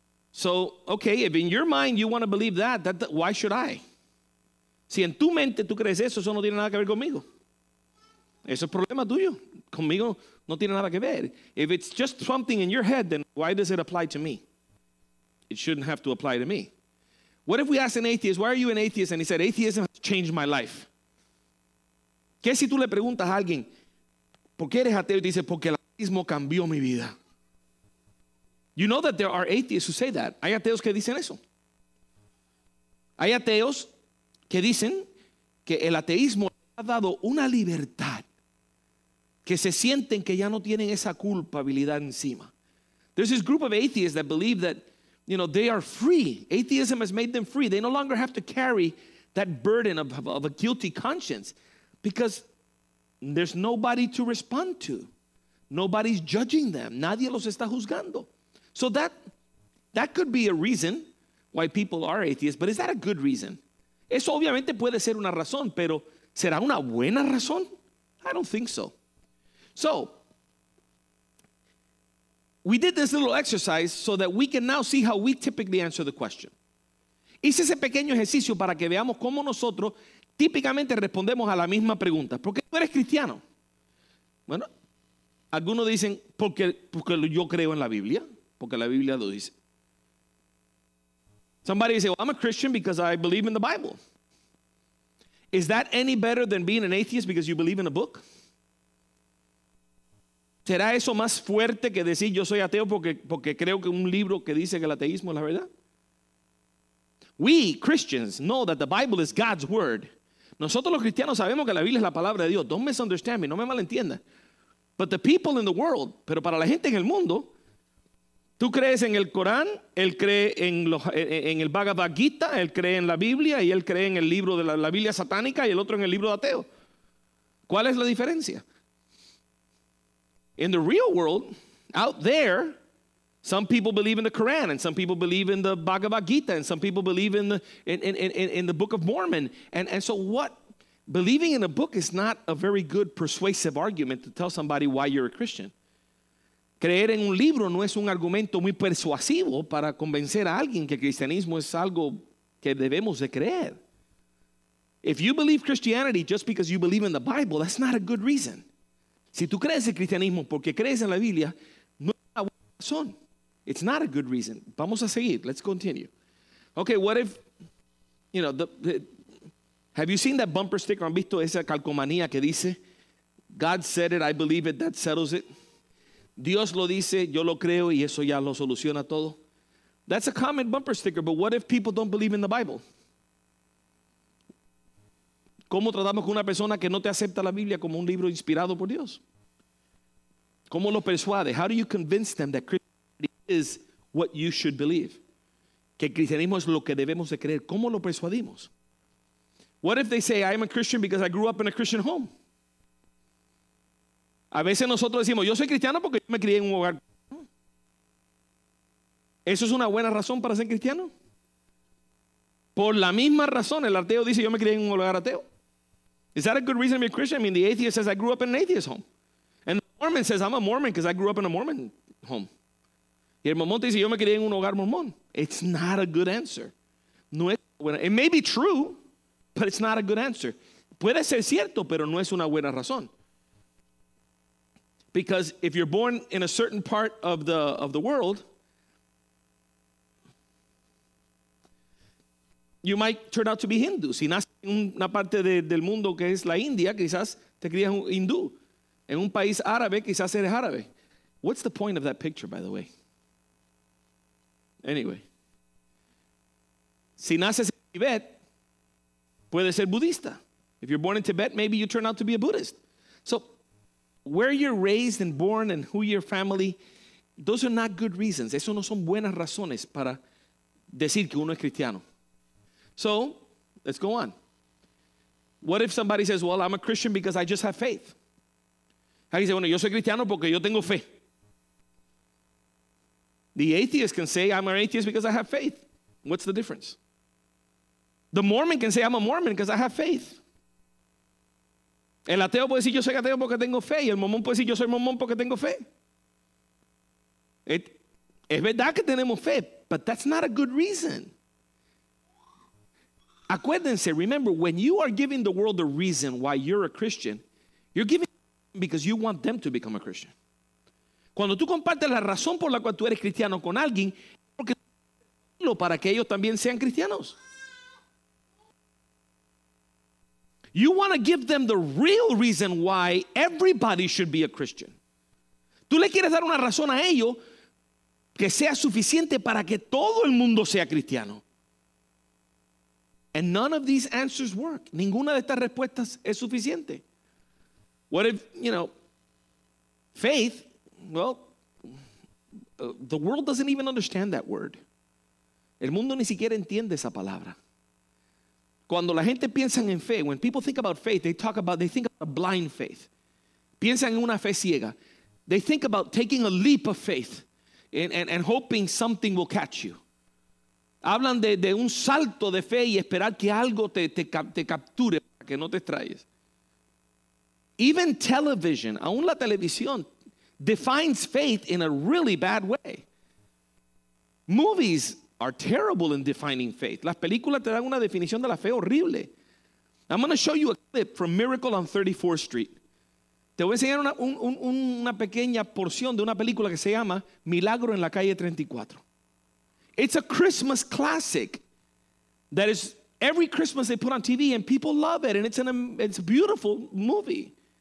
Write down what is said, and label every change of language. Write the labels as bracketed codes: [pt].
[en] So, okay, if in your mind you want to believe that, why should I? [es] Si en tu mente tú crees eso no tiene nada que ver conmigo. Eso es problema tuyo. Conmigo no tiene nada que ver. [en] If it's just something in your head, then why does it apply to me? It shouldn't have to apply to me. What if we ask an atheist, why are you an atheist? And he said, atheism has changed my life. [es] ¿Qué si tú le preguntas a alguien, ¿por qué eres ateo? Y dice, porque el ateísmo cambió mi vida. [en] You know that there are atheists who say that. [es] Hay ateos que dicen eso. Hay ateos que dicen que el ateísmo ha dado una libertad, que se sienten que ya no tienen esa culpabilidad encima. [en] There's this group of atheists that believe that, you know, they are free. Atheism has made them free. They no longer have to carry that burden of a guilty conscience because There's nobody to respond to. Nobody's judging them. [es] Nadie los está juzgando. [en] So that could be a reason why people are atheists, but is that a good reason? [es] Eso obviamente puede ser una razón, pero ¿será una buena razón? [en] I don't think so. So, we did this little exercise so that we can now see how we typically answer the question. [es] Hice ese pequeño ejercicio para que veamos cómo nosotros típicamente respondemos a la misma pregunta. ¿Por qué tú eres cristiano? Bueno, algunos dicen, porque yo creo en la Biblia, porque la Biblia lo dice. [en] Somebody say, well, I'm a Christian because I believe in the Bible. Is that any better than being an atheist because you believe in a book? [es] ¿Será eso más fuerte que decir yo soy ateo porque creo que un libro que dice que el ateísmo es la verdad? [en] We Christians know that the Bible is God's word. [es] Nosotros los cristianos sabemos que la Biblia es la palabra de Dios. [en] Don't misunderstand me, [es] no me malentienda. [en] But the people in the world, [es] pero para la gente en el mundo, tú crees en el Corán, él cree en el Bhagavad Gita, él cree en la Biblia y él cree en el libro de la Biblia satánica y el otro en el libro de ateo. ¿Cuál es la diferencia? [en] In the real world, out there, some people believe in the Quran, and some people believe in the Bhagavad Gita, and some people believe in the Book of Mormon. And so what? Believing in a book is not a very good persuasive argument to tell somebody why you're a Christian. [es] Creer en un libro no es un argumento muy persuasivo para convencer a alguien que el cristianismo es algo que debemos de creer. [en] If you believe Christianity just because you believe in the Bible, that's not a good reason. [es] Si tú crees en cristianismo porque crees en la Biblia, no es una buena razón. [en] It's not a good reason. [es] Vamos a seguir. [en] Let's continue. Okay, what if, you know, have you seen that bumper sticker? [es] ¿Han visto esa calcomanía que dice, [en] God said it, I believe it, that settles it? [es] Dios lo dice, yo lo creo, y eso ya lo soluciona todo. [en] That's a common bumper sticker, but what if people don't believe in the Bible? [es] ¿Cómo tratamos con una persona que no te acepta la Biblia como un libro inspirado por Dios? ¿Cómo lo persuade? [en] How do you convince them that Christ is what you should believe? [es] Que el cristianismo es lo que debemos de creer. ¿Cómo lo persuadimos? [en] What if they say, I am a Christian because I grew up in a Christian home? [es] A veces nosotros decimos, yo soy cristiano porque yo me crié en un hogar. ¿Eso es una buena razón para ser cristiano? Por la misma razón, el ateo dice, yo me crié en un hogar ateo. [en] Is that a good reason to be a Christian? I mean, the atheist says, I grew up in an atheist home. And the Mormon says, I'm a Mormon because I grew up in a Mormon home. [es] Y el mormón dice, yo me crié en un hogar mormón. [en] It's not a good answer. [es] No es buena. [en] It may be true, but it's not a good answer. [es] Puede ser cierto, pero no es una buena razón. [en] Because if you're born in a certain part of the world, you might turn out to be Hindu. [es] Si naces en una parte del mundo que es la India, quizás te crías un hindú. En un país árabe, quizás eres árabe. [en] What's the point of that picture, by the way? [es] Anyway, si naces en Tibet, puede ser budista. [en] If you're born in Tibet, maybe you turn out to be a Buddhist. So, where you're raised and born and who your family, those are not good reasons. [es] Eso no son buenas razones para decir que uno es cristiano. [en] So, let's go on. What if somebody says, well, I'm a Christian because I just have faith? How do you say, [es] bueno, yo soy cristiano porque yo tengo fe? [en] The atheist can say, I'm an atheist because I have faith. What's the difference? The Mormon can say, I'm a Mormon because I have faith. [es] El ateo puede decir, yo soy ateo porque tengo fe. Y el mormón puede decir, yo soy mormón porque tengo fe. Es verdad que tenemos fe, [en] but that's not a good reason. [es] Acuérdense, [en] remember, when you are giving the world a reason why you're a Christian, you're giving because you want them to become a Christian. [es] Cuando tú compartes la razón por la cual tú eres cristiano con alguien, es porque tú lo para que ellos también sean cristianos. [en] You want to give them the real reason why everybody should be a Christian. [es] Tú le quieres dar una razón a ellos que sea suficiente para que todo el mundo sea cristiano. [en] And none of these answers work. [es] Ninguna de estas respuestas es suficiente. [en] What if, you know, faith? Well, the world doesn't even understand that word. [es] El mundo ni siquiera entiende esa palabra. Cuando la gente piensa en fe, [en] when people think about faith, they think about a blind faith. [es] Piensan en una fe ciega. [en] They think about taking a leap of faith and hoping something will catch you. [es] Hablan de un salto de fe y esperar que algo te capture para que no te extrañes. [en] Even television, [es] aún la televisión, [en] defines faith in a really bad way. Movies are terrible in defining faith. [es] Las películas te dan una definición de la fe horrible. [en] I'm going to show you a clip from Miracle on 34th Street. [es] Te voy a enseñar una pequeña porción de una película que se llama Milagro en la calle 34. [en] It's a Christmas classic that is every Christmas they put on TV and people love it and it's a beautiful movie.